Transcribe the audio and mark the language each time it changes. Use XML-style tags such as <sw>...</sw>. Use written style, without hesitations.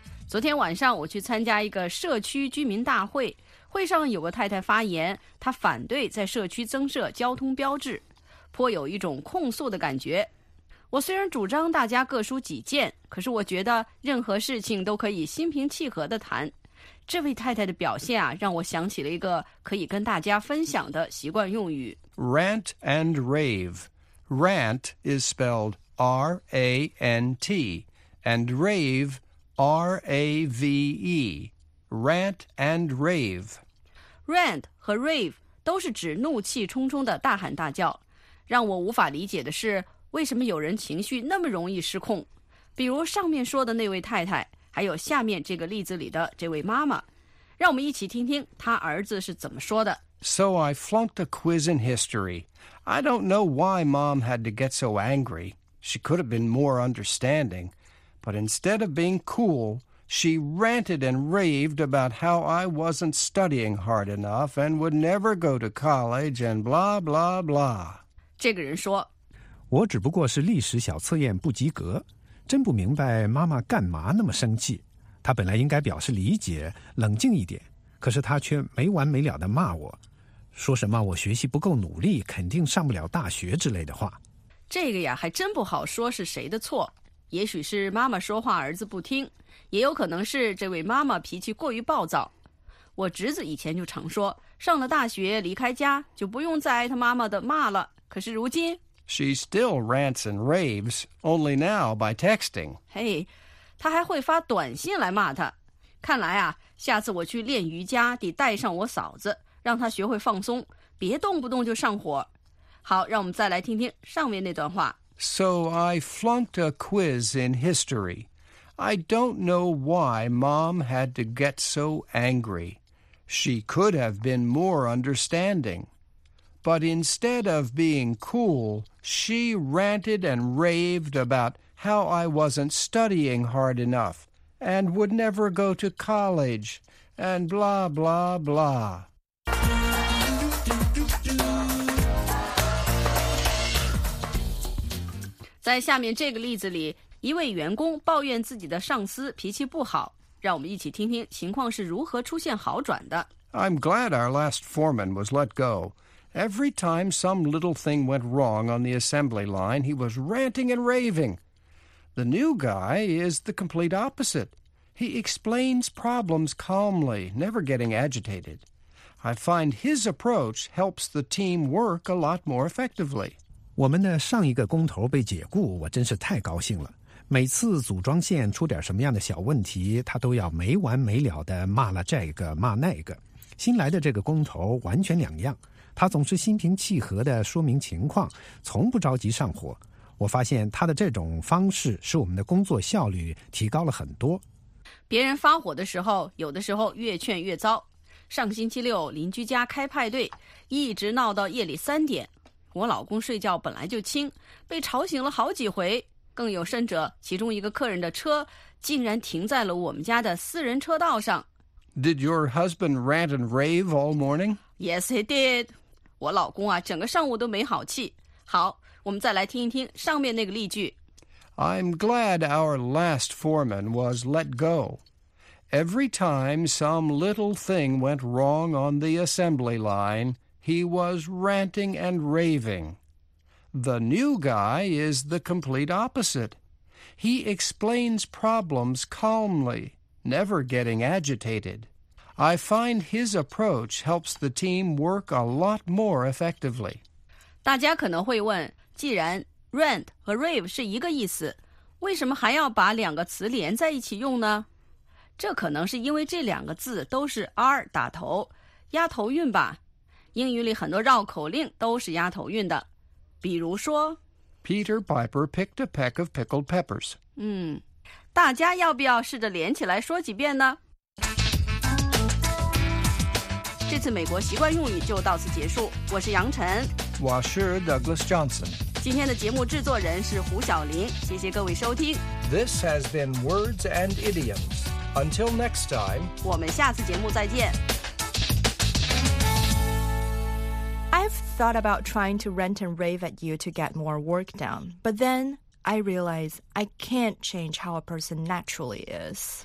<zh>昨天晚上我去参加一个社区居民大会，会上有个太太发言，她反对在社区增设交通标志，颇有一种控诉的感觉。我虽然主张大家各抒己见，可是我觉得任何事情都可以心平气和地谈。这位太太的表现啊，让我想起了一个可以跟大家分享的习惯用语</zh> <en>：rant and rave. Rant is spelled. R-A-N-T, and rave, R-A-V-E, rant and rave.</en> <zh>Rant 和 rave 都是指怒气冲冲的大喊大叫。让我无法理解的是，为什么有人情绪那么容易失控？比如上面说的那位太太，还有下面这个例子里的这位妈妈。让我们一起听听她儿子是怎么说的。</zh> <en>So I flunked a quiz in history. I don't know why Mom had to get so angry. She could have been more understanding. But instead of being cool, she ranted and raved about how I wasn't studying hard enough and would never go to college and blah, blah, blah.</en> <zh>这个人说，我只不过是历史小测验不及格，真不明白妈妈干嘛那么生气。她本来应该表示理解，冷静一点，可是她却没完没了地骂我，说什么我学习不够努力，肯定上不了大学之类的话。这个呀，还真不好说是谁的错。也许是妈妈说话儿子不听，也有可能是这位妈妈脾气过于暴躁。我侄子以前就常说，上了大学离开家就不用再挨他妈妈的骂了。可是如今</zh> <en>She still rants and raves, only now by texting.</en> <zh>嘿，她还会发短信来骂她。看来啊，下次我去练瑜伽得带上我嫂子，让她学会放松，别动不动就上火。好，让我们再来听听上面那段话。</zh> <en>So I flunked a quiz in history. I don't know why Mom had to get so angry. She could have been more understanding. But instead of being cool, she ranted and raved about how I wasn't studying hard enough and would never go to college and blah, blah, blah.</en> <zh>在下面这个例子里，一位员工抱怨自己的上司脾气不好，让我们一起听听情况是如何出现好转的。</zh> <en>I'm glad our last foreman was let go. Every time some little thing went wrong on the assembly line, he was ranting and raving. The new guy is the complete opposite. He explains problems calmly, never getting agitated. I find his approach helps the team work a lot more effectively.</en> <zh>我们的上一个工头被解雇，我真是太高兴了。每次组装线出点什么样的小问题，他都要没完没了地骂了这个骂那个。新来的这个工头完全两样，他总是心平气和地说明情况，从不着急上火。我发现他的这种方式使我们的工作效率提高了很多。别人发火的时候，有的时候越劝越糟。上星期六邻居家开派对，一直闹到夜里三点。我老公睡觉本来就轻，被吵醒了好几回。更有甚者，其中一个客人的车竟然停在了我们家的私人车道上。</zh> <en>Did your husband rant and rave all morning? Yes, he did.</en> <zh>我老公啊，整个上午都没好气。好，我们再来听一听上面那个例句。</zh> <en>I'm glad our last foreman was let go. Every time some little thing went wrong on the assembly line... He was ranting and raving. The new guy is the complete opposite. He explains problems calmly, never getting agitated. I find his approach helps the team work a lot more effectively.</en> <zh>大家可能会问，既然 rant 和 rave 是一个意思，为什么还要把两个词连在一起用呢？这可能是因为这两个字都是 R 打头，押头韵吧。英语里很多绕口令都是押头韵的，比如说</zh> <en>Peter Piper picked a peck of pickled peppers.</en> <zh>大家要不要试着连起来说几遍呢？这次美国习惯用语就到此结束，我是杨晨，我是 Douglas Johnson。今天的节目制作人是胡晓林，谢谢各位收听。</zh> <en>This has been Words and Idioms. Until next time,</en> <zh>我们下次节目再见。</zh> <en>I've thought about trying to rant and rave at you to get more work done. But then I realize I can't change how a person naturally is.</en>